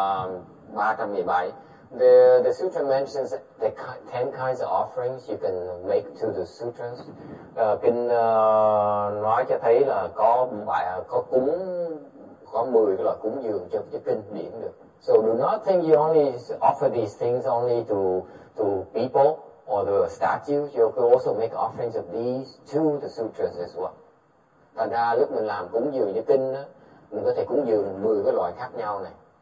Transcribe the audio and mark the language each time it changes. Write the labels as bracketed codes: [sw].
[en] 317, the sutra mentions the 10 kinds of offerings you can make to the sutras. [vi] Kinh nói cho thấy là có 10 cái loại cúng dường cho cái kinh điển được. [en] So do not think you only offer these things only to people or the statues, you can also make offerings of these to the sutras as well. [vi] Thành ra lúc mình làm cúng dường cho kinh đó, mình có thể cúng dường 10 cái loại khác nhau này.